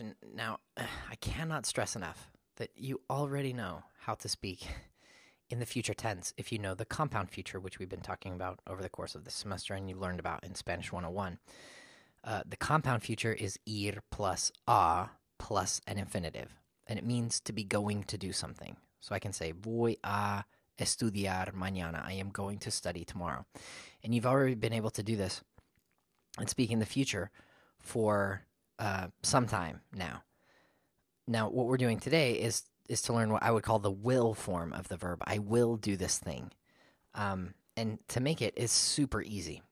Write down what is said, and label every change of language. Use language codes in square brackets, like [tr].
[en] And now, I cannot stress enough that you already know how to speak in the future tense if you know the compound future, which we've been talking about over the course of the semester and you learned about in Spanish 101. The compound future is ir plus a plus an infinitive, and it means to be going to do something. So I can say, [es] voy a estudiar mañana. [en] I am going to study tomorrow. And you've already been able to do this and speak in the future for some time now. Now, what we're doing today is to learn what I would call the will form of the verb. I will do this thing. And to make it is super easy.